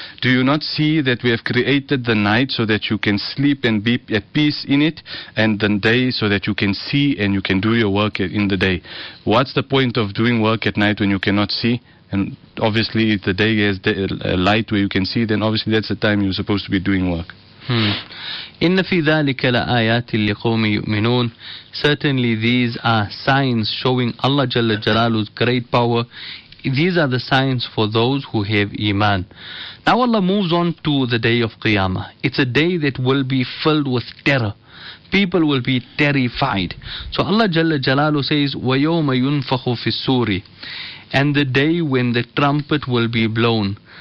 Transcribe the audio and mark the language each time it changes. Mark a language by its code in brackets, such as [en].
[en] Do you not see that we have created the night so that you can sleep and be at peace in it, and the day so that you can see and you can do your work in the day? What's the point of doing work at night when you cannot see? And obviously if the day has a light where you can see, then obviously that's the time you're supposed to be doing work. [ar] إن في ذلك لآيات لقوم يؤمنون. [en] Certainly these are signs showing Allah Jalla Jalalu's great power. These are the signs for those who have Iman. Now Allah moves on to the day of Qiyamah. It's a day that will be filled with terror. People will be terrified. So Allah Jalla Jalalu says, [ar] وَيَوْمَ يُنْفَخُ فِي السُّورِ, [en] and the day when the trumpet will be blown.